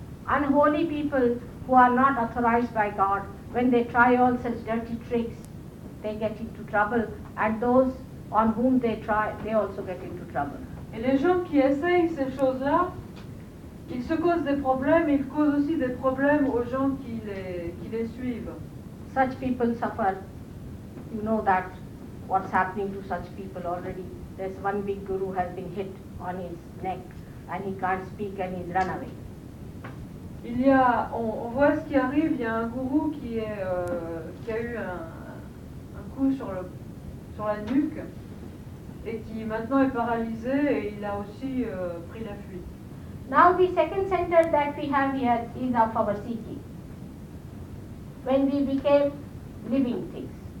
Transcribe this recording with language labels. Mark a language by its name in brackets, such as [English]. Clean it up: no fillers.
[English] Unholy people who are not authorized by God, when they try all such dirty tricks, they get into trouble. And those on whom they try, they also get into trouble. [French] Et les gens qui essayent ces choses-là, ils se causent des problèmes, ils causent aussi des problèmes aux gens qui les suivent. [English] Such people suffer. You know that what's happening to such people already. There's one big guru has been hit on his neck and he can't speak and he's run away. [French] On voit ce qui arrive, il y a un gourou qui a eu un coup sur la nuque et qui maintenant est paralysé et il a aussi pris la fuite. [English] Now the second center that we have here is of our city. When we became living things.